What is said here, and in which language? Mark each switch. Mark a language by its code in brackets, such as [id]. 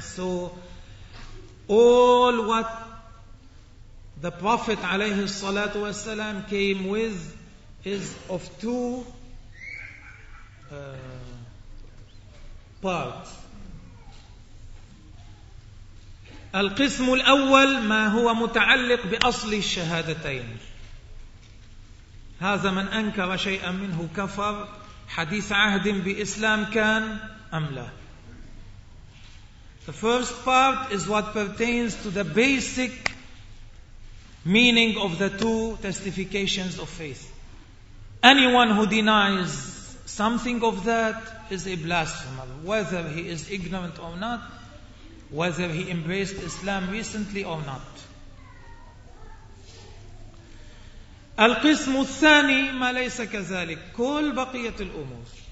[en] So all what the Prophet [ar] عليه الصلاة والسلام [en] came with is of two parts. [ar] القسم الأول ما هو متعلق بأصل الشهادتين. هذا من أنكر شيئا منه كفر. حديث عهد بإسلام كان أم لا. [en] The first part is what pertains to the basic meaning of the two testifications of faith. Anyone who denies something of that is a blasphemer, whether he is ignorant or not, whether he embraced Islam recently or not. [ar] القسم الثاني ما ليس كذلك كل بقية الأمور.